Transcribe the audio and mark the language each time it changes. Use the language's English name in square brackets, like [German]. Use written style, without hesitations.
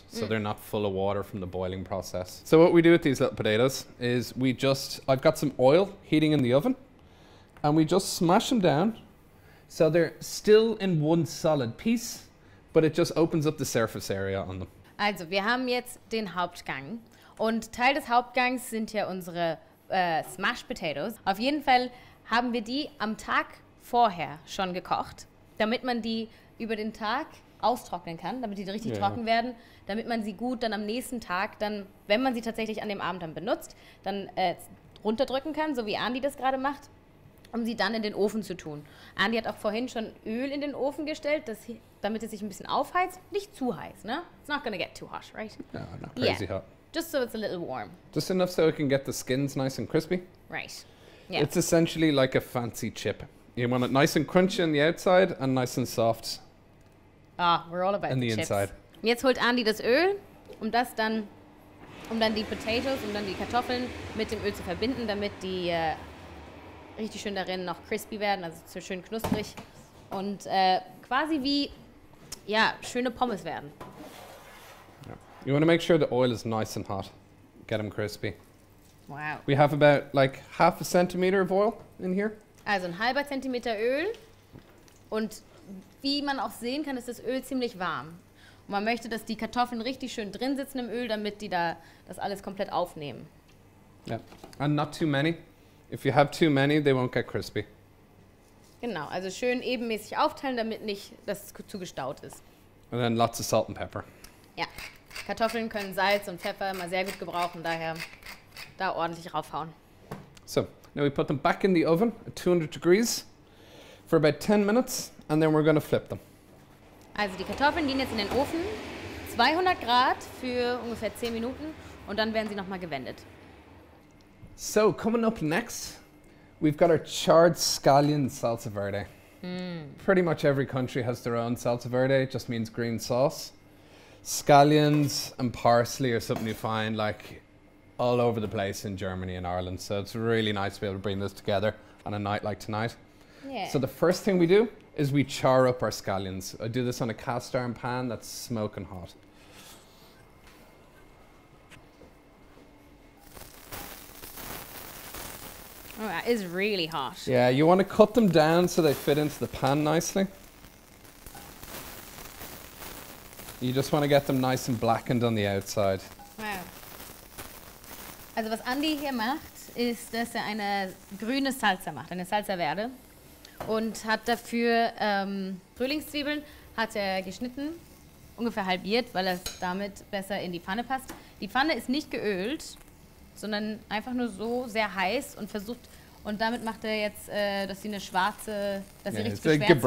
[English] So they're not full of water from the boiling process. So what we do with these little potatoes is I've got some oil heating in the oven. And we just smash them down. So they're still in one solid piece, but it just opens up the surface area on them. [German] Also, wir haben jetzt den Hauptgang. Und Teil des Hauptgangs sind ja unsere smashed potatoes. Auf jeden Fall haben wir die am Tag vorher schon gekocht, damit man die über den Tag austrocknen kann, damit die richtig trocken werden, damit man sie gut dann am nächsten Tag, dann, wenn man sie tatsächlich an dem Abend dann benutzt, dann runterdrücken kann, so wie Andy das gerade macht, um sie dann in den Ofen zu tun. Andy hat auch vorhin schon Öl in den Ofen gestellt, damit es sich ein bisschen aufheizt. Nicht zu heiß, ne? [English] It's not gonna get too harsh, right? No, not crazy hot. just so it's a little warm. Just enough so it can get the skins nice and crispy. Right. Yeah. It's essentially like a fancy chip. You want it nice and crunchy on the outside and nice and soft. Ah, we're all about the chips. Inside. [German] Jetzt holt Andy das Öl, um dann die Potatoes und dann die Kartoffeln mit dem Öl zu verbinden, damit die richtig schön darin noch crispy werden, also so schön knusprig und quasi wie, ja, schöne Pommes werden. [English] You want to make sure the oil is nice and hot. Get them crispy. Wow. We have about like half a centimeter of oil in here. [German] Also ein halber Zentimeter Öl. Und wie man auch sehen kann, ist das Öl ziemlich warm. Und man möchte, dass die Kartoffeln richtig schön drin sitzen im Öl, damit die da das alles komplett aufnehmen. [English] Yeah. And not too many. If you have too many, they won't get crispy. [German] Genau, also schön ebenmäßig aufteilen, damit nicht das zu gestaut ist. [English] And then lots of salt and pepper. [German] Ja. Kartoffeln können Salz und Pfeffer immer sehr gut gebrauchen, daher da ordentlich raufhauen. [English] So, now we put them back in the oven at 200 degrees for about 10 minutes and then we're going to flip them. [German] Also die Kartoffeln gehen jetzt in den Ofen, 200 Grad für ungefähr 10 Minuten und dann werden sie nochmal gewendet. [English] So, coming up next, we've got our charred scallion salsa verde. Mm. Pretty much every country has their own salsa verde, it just means green sauce. Scallions and parsley are something you find like all over the place in Germany and Ireland. So it's really nice to be able to bring this together on a night like tonight. Yeah. So the first thing we do is we char up our scallions. I do this on a cast iron pan that's smoking hot. Oh, that is really hot. Yeah, you want to cut them down so they fit into the pan nicely. You just want to get them nice and blackened on the outside. Wow. [German] Also was Andy hier macht, ist, dass er eine grüne Salsa macht, eine Salsa Verde. Und hat dafür Frühlingszwiebeln hat er geschnitten, ungefähr halbiert, weil es damit besser in die Pfanne passt. Die Pfanne ist nicht geölt, sondern einfach nur so sehr heiß und versucht, und damit macht er jetzt, dass sie eine schwarze, dass sie richtig geschwärzt